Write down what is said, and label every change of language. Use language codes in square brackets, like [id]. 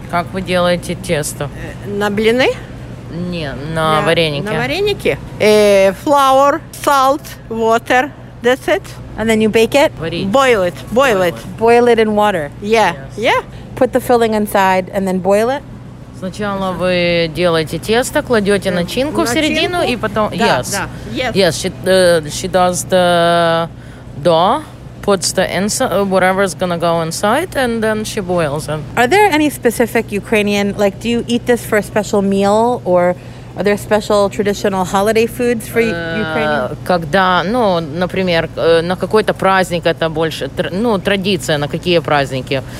[ru] Как вы делаете тесто? На блины? На вареники. [en] Flour, salt, water. That's it. And then you bake it. Boil it. Boil it in water. Yeah. Yes. Yeah. Put the filling inside and then boil it. [ru] Сначала ви делаете тесто, кладете начинку в середину и потом. [en] Yes. Yes. She does the dough. Puts the inside, whatever's gonna go inside, and then she boils it. Are there any specific Ukrainian, like, do you eat this for a special meal, or are there special traditional holiday foods for Ukrainians? [ru] Когда, ну, например, на какой-то праздник это больше, ну, традиция, на какие праздники?